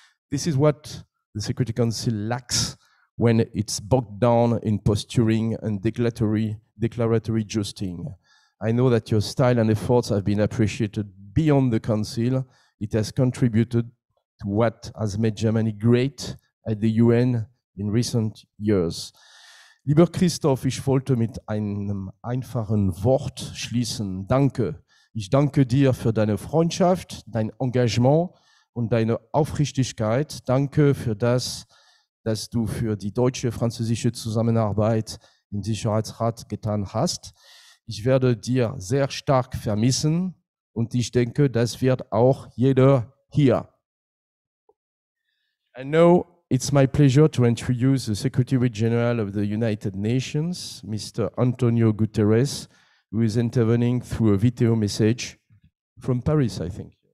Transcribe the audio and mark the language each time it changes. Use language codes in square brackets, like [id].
[en] This is what the Security Council lacks when it's bogged down in posturing and declaratory justing. I know that your style and efforts have been appreciated beyond the Council. It has contributed to what has made Germany great at the UN in recent years. [de] Lieber Christoph, ich wollte mit einem einfachen Wort schließen. Danke. Ich danke dir für deine Freundschaft, dein Engagement und deine Aufrichtigkeit. Danke für das, dass du für die deutsche-französische Zusammenarbeit im Sicherheitsrat getan hast. Ich werde dir sehr stark vermissen und ich denke, das wird auch jeder hier. [en] And now it's my pleasure to introduce the Secretary General of the United Nations, Mr. Antonio Guterres, who is intervening through a video message from Paris, I think.